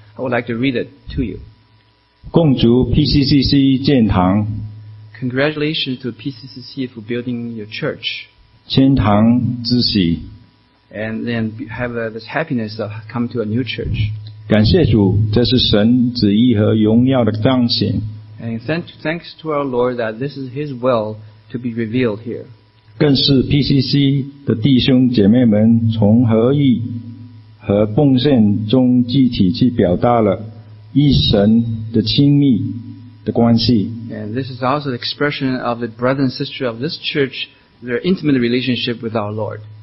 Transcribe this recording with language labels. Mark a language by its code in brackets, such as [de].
[en] I would like to read it to you. [zh] 共筑 PCCC 建堂。 [en] Congratulations to PCCC for building your church. [zh] 迁堂之喜。 [en] And then have this happiness of come to a new church. [zh] 感谢主，这是神旨意和荣耀的彰显。 [en] And thanks to our Lord that this is His will to be revealed here. [zh] 更是 PCC 的弟兄姐妹们从合意和奉献中具体去表达了一神的亲密的关系。 [en] And this is also the expression of the brother and sister of this church, their intimate relationship with our Lord.